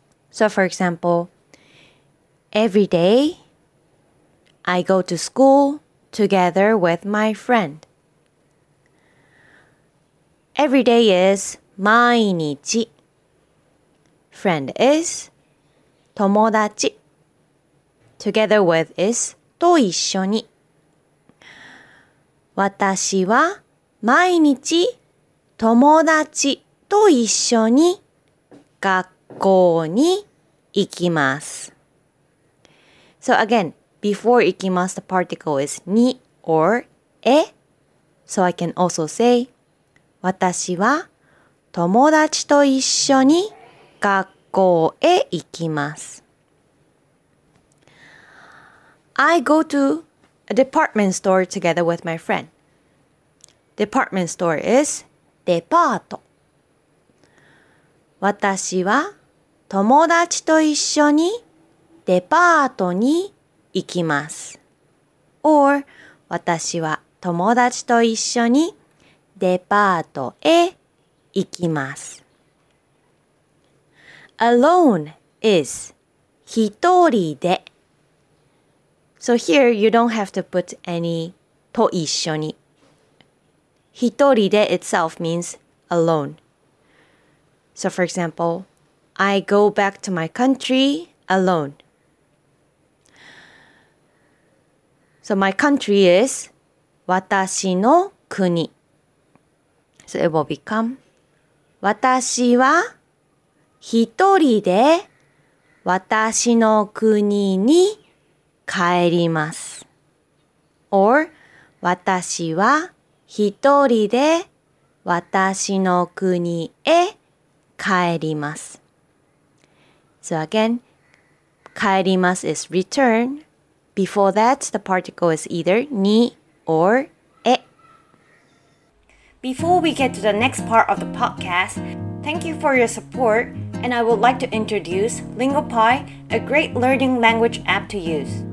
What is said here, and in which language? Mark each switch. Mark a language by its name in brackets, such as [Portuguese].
[English] So, for example, every day I go to school together with my friend. Every day is 毎日. Friend is 友達. Together with is と一緒に。 [Japanese] 私は毎日友達と一緒に学校に行きます。 [English] So again, before 行きます, the particle is に or え. So I can also say, [Japanese] 私は友達と一緒に学校へ行きます。 [English] I go to a department store together with my friend. Department store is デパート。 [Japanese] 私は友達と一緒にデパートに行きます。 Or 私は友達と一緒にデパートへ行きます。 [English] Alone is 一人で。 So here you don't have to put any と一緒に。ひとりで itself means alone. So for example, I go back to my country alone. So my country is 私の国. So it will become [Japanese] 私はひとりで私の国に帰ります。 Or 私は一人で私の国へ帰ります。 [English] So again, 帰ります is return. Before that, the particle is either に or へ. Before we get to the next part of the podcast, thank you for your support, and I would like to introduce Lingopie, a great learning language app to use.